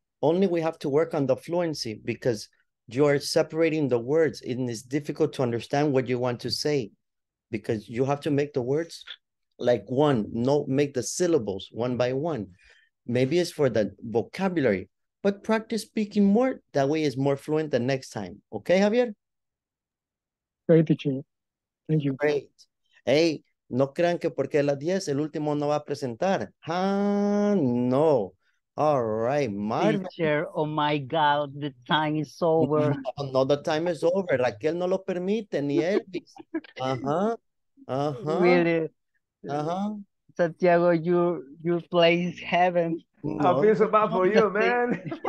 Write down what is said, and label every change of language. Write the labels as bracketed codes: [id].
[en] Only we have to work on the fluency because you are separating the words and it's difficult to understand what you want to say because you have to make the words like one, no, make the syllables one by one. Maybe it's for the vocabulary, but practice speaking more. That way it's more fluent the next time. Okay, Javier? Great teacher. Thank you. Great. [es] Hey, no crean que porque las 10 el último no va a presentar. [en] Ah, no. All right, Marvin. Teacher, oh my God, the time is over. No, the time is over. [es] Raquel no lo permite, ni Elvis. [en] Really? Santiago, your place is heaven. No. I feel so bad for you, man.